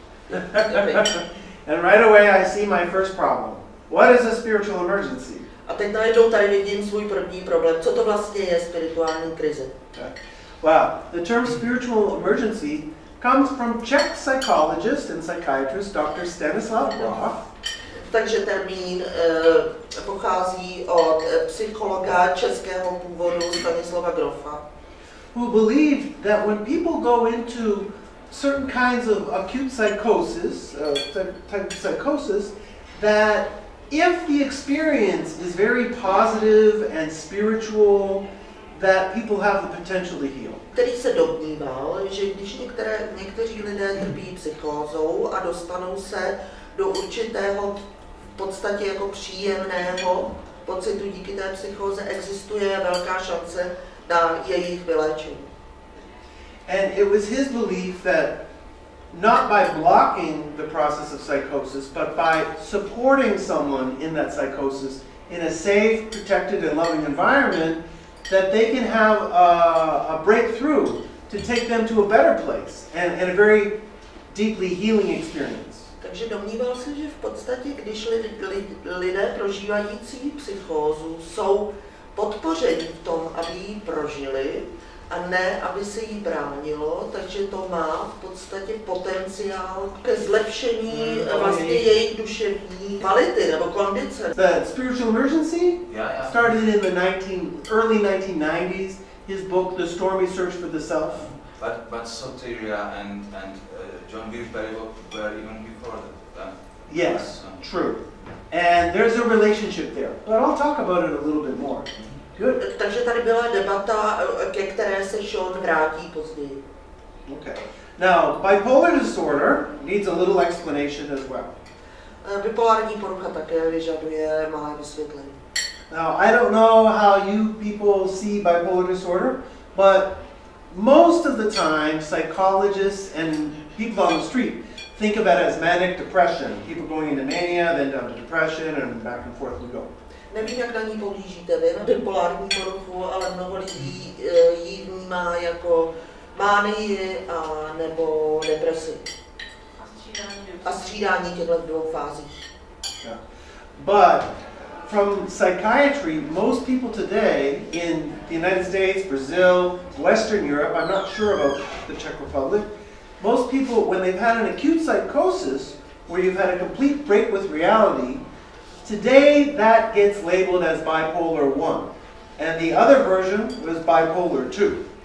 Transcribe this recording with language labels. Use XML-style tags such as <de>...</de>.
<en>And right away I see my first problem. What is a spiritual emergency?</en> <cs>A teď najednou tady vidím svůj první problém. Co to vlastně je spirituální krize?</cs> <en>Well, the term spiritual emergency comes from Czech psychologist and psychiatrist Dr. Stanislav Roth.</en> <cs>Takže termín pochází od psychologa českého původu Stanislava Grofa.</cs> <en>who believe that when people go into certain kinds of acute psychosis, type of psychosis, that if the experience is very positive and spiritual, that people have the potential to heal.</en> <cs>Který se domníval, že když někteří lidé trpí psychózou a dostanou se do určitého v podstatě jako příjemného pocitu díky té psychóze, existuje velká šance na jejich vyléčení.</cs> <en>And it was his belief that not by blocking the process of psychosis, but by supporting someone in that psychosis in a safe, protected, and loving environment, that they can have a breakthrough to take them to a better place and a very deeply healing experience.</en> <cs>Takže domníval se, že v podstatě, když lidé prožívající psychózu jsou podpořeni v tom, aby ji prožili, a ne, aby se jí bránilo, takže to má v podstatě potenciál ke zlepšení vlastně jejich duševní kvality nebo kondice.</cs> <en>The spiritual emergency started in the early 1990s, his book The Stormy Search for the Self. But Soteria and John Birchberry were even before that. Yes, true. And there's a relationship there, but I'll talk about it a little bit more. Good.</en> <cs>Takže tady byla debata, ke které se Sean vrátí později.</cs> <en>Okay. Now, bipolar disorder needs a little explanation as well.</en> <cs>Bipolární porucha také vyžaduje malé vysvětlení.</cs> <en>Now, I don't know how you people see bipolar disorder, but most of the time, psychologists and people on the street think about it as manic depression. People going into mania, then down to depression, and back and forth we go.</en> <cs>Nevím, jak na ní pohlížíte vy, na bipolární poruchu, ale mnoho lidí ji vnímá jako mánii a nebo depresi. A střídání těchto dvou fází.</cs> <en>But from psychiatry, most people today in the United States, Brazil, Western Europe, I'm not sure about the Czech Republic, most people, when they've had an acute psychosis, where you've had a complete break with reality, today that gets labeled as bipolar 1, and the other version was bipolar 2.</en>